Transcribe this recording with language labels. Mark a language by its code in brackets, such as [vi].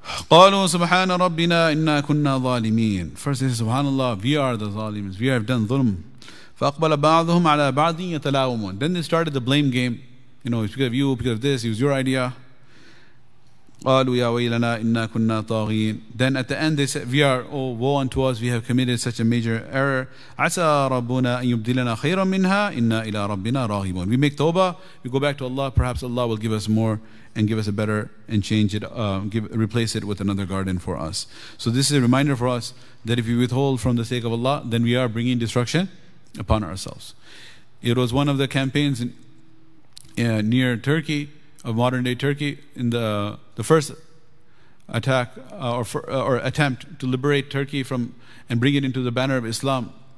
[ar] قالوا سبحان ربنا إنا كنا ظالمين. [en] First they say, Subhanallah, we are the zalims. We have done ظلم. [ar] فأقبل بعضهم على بعض يتلاومون. [en] Then they started the blame game. You know, it's because of you, because of this, it was your idea. [ar] قالوا يا ويلنا إنا كنا طاغين. [en] Then at the end they said, woe unto us, we have committed such a major error. [ar] عسى ربنا أن يبدلنا خيرا منها إنا إلى ربنا راغبون. [en] We make tawbah, we go back to Allah, perhaps Allah will give us more and give us a better and change it, replace it with another garden for us. So this is a reminder for us that if we withhold from the sake of Allah, then we are bringing destruction upon ourselves. It was one of the campaigns near Turkey, of modern day Turkey, in the first attack or attempt to liberate Turkey from and bring it into the banner of Islam.